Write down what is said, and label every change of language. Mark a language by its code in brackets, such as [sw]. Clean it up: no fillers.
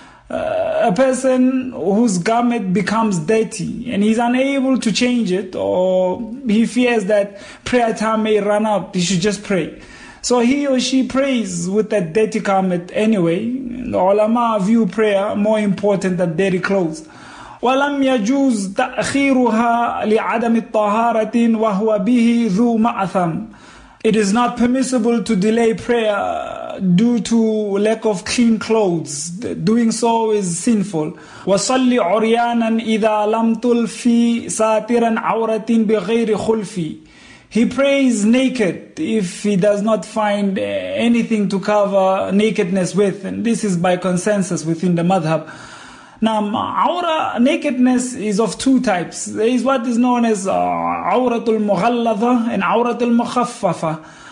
[en] A person whose garment becomes dirty and he's unable to change it, or he fears that prayer time may run out, he should just pray. So he or she prays with that dirty garment anyway. The ulama view prayer more important than dirty clothes. [ar] ولم يجوز تأخيرها لعدم الطهارة وهو به ذو مأثم. [en] It is not permissible to delay prayer due to lack of clean clothes. Doing so is sinful. [ar] وصلي عريانا إذا لم تلفي ساترا عورة بغير خلفي. [en] He prays naked if he does not find anything to cover nakedness with. And this is by consensus within the madhab. Now, awra, nakedness is of two types. There is what is known as awratul mughalladha and awratul mukhaffafa.